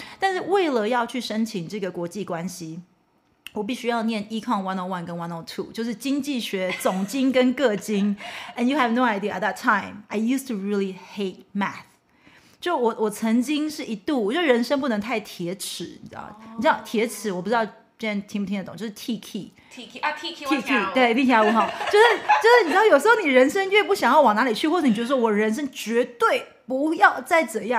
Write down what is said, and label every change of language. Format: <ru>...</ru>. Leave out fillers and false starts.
<zh>但是为了要去申请这个国际关系，我必须要念 Econ 101跟 102, 就是经济学总经跟各经。</zh> <en>And you have no idea at that time, I used to really hate math.</en> <zh>就 我曾经是一度，我觉得人生不能太铁齿，你知道？你知道铁齿，我不知道现在听不听得懂，就是 T key 对 T key 五号，就是你知道，有时候你人生越不想要往哪里去，或者你觉得说我人生绝对不要再怎样，</zh>